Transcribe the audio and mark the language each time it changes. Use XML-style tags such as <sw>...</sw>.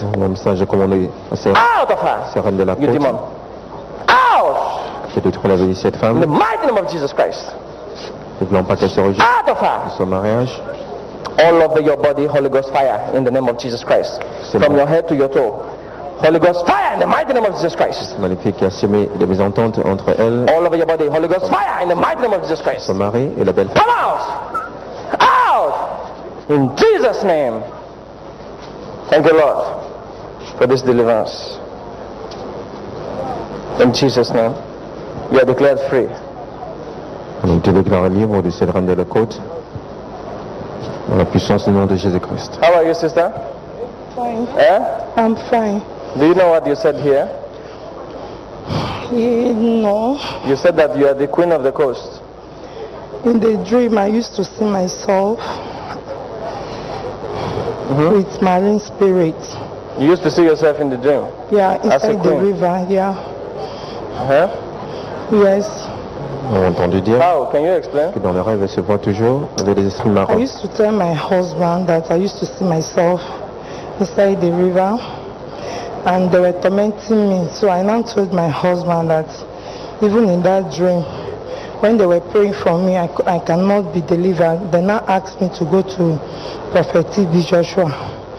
<en>Out of her. You demon. Out. In the mighty name of Jesus Christ. Out of her. All over your body, Holy Ghost fire in the name of Jesus Christ. From your head to your toe. Holy Ghost fire in the mighty name of Jesus Christ.</en> <fr>C'est magnifique, il a semé des mésententes entre elles.</fr> <en>All over your body, Holy Ghost fire in the mighty name of Jesus Christ.</en> <fr>Son mari et la belle</fr> <en>femme. Come out! Out! In Jesus' name. Thank you, Lord, for this deliverance. In Jesus' name, you are declared free.</en> <fr>Nous te déclarons libre de cette reine de la côte. Dans la puissance du nom de Jésus Christ.</fr> <en>How are you, sister? Fine. I'm fine. Do you know what you said here? No. You said that you are the queen of the coast. In the dream, I used to see myself with marine spirits. You used to see yourself in the dream? Yeah, inside the river, yeah. Yes.</en> <fr>J'ai entendu dire</fr> <en>how? Can you explain?</en> <fr>Que dans le rêve, elle se voit toujours avec des esprits marins.</fr> <en>I used to tell my husband that I used to see myself inside the river, and they were tormenting me. So I now told my husband that even in that dream, when they were praying for me, I cannot be delivered. They now asked me to go to Prophet T.B. Joshua.</en>